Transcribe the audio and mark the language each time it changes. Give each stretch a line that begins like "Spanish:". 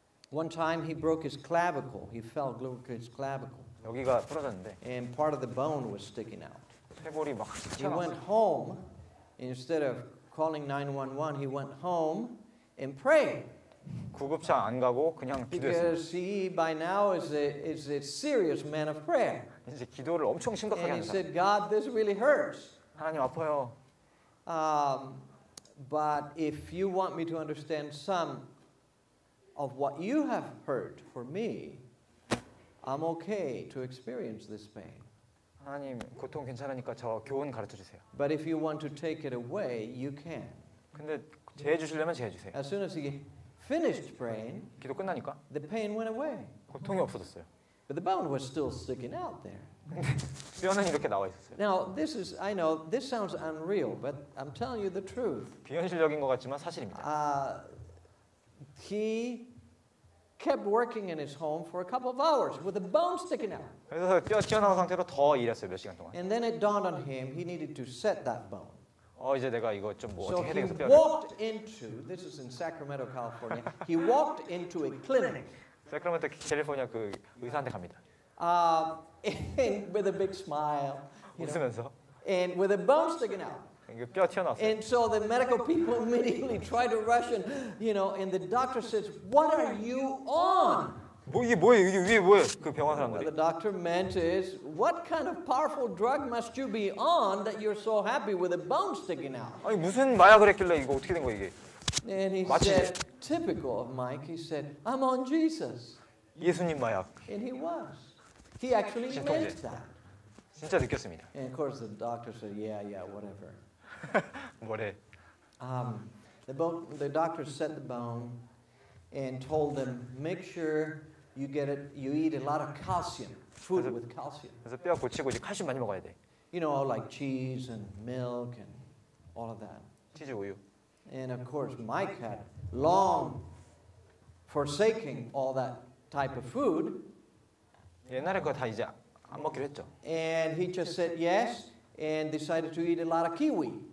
English: One time, he broke his clavicle. He fell broke his clavicle.
Korean: 여기가 부러졌는데.
English: And part of the bone was sticking out.
Korean: 쇄골이 막.
English: He went home instead of. Calling 911, he went home and prayed.
Korean: 구급차 안 가고 그냥 기도했습니다.
English: Because he by now is a serious man of prayer.
Korean: 이제 기도를 엄청 심각하게 합니다.
English: And he said, God, this really hurts.
Korean: 하나님 아파요.
English: But if you want me to understand some of what you have heard for me, I'm okay to experience this pain.
Korean: 하나님 고통 괜찮으니까 저 교훈 가르쳐 주세요.
English: But if you want to take it away, you can.
Korean: 근데 제해 주시려면 제해 주세요.
English: As soon as he finished praying,
Korean: 기도 끝나니까
English: the pain went away.
Korean: 고통이 없어졌어요.
English: But the bone was still sticking out there.
Korean: 뼈는 이렇게 나와 있었어요.
English: Now this is, I know this sounds unreal, but I'm telling you the truth.
Korean: 비현실적인 것 같지만 사실입니다.
English: He kept working in his home for a couple of hours with the bone sticking out.
Korean: 그래서 뼈 튀어나온 상태로 더 일했어요 몇 시간 동안.
English: And then it dawned on him he needed to set that bone.
Korean: 이제 내가 이거 좀 뭐 어떻게
English: so
Korean: 해야 돼서
English: So he walked into this is in Sacramento, California. He walked into a clinic.
Korean: 사크라멘토 캘리포니아 그 의사한테 갑니다.
English: And with a big smile.
Korean: 웃으면서.
English: And with a bone sticking out.
Korean: 이게 뼈 튀어나왔어요.
English: And so the medical people immediately try to rush in, you know, and the doctor says, "What are you on?"
Korean: 뭐 이게 뭐예요? 이게 왜 뭐예요? 그 병원 사람들이.
English: The doctor meant is, "What kind of powerful drug must you be on that you're so happy with a bone sticking out?"
Korean: 아니 무슨 마약을 했길래 이거 어떻게 된 거 이게?
English: And he said, typical of Mike, he said, I'm on Jesus.
Korean: 예수님 마약.
English: And he was. He actually meant that.
Korean: 진짜 느꼈습니다.
English: And of course the doctor said, yeah, yeah, whatever.
Korean: 뭐래.
English: The doctor set the bone and told them, make sure you get it, you eat a lot of calcium, food
Korean: 그래서,
English: with calcium.
Korean: 그래서 뼈 고치고 이제 칼슘 많이 먹어야 돼.
English: You know, like cheese and milk and all of that.
Korean: 치즈, 우유.
English: And of course, Mike had long forsaking all that type of food.
Korean: 옛날에 그거 다 이제 안 먹기로 했죠.
English: And he just said yes and decided to eat a lot of kiwi.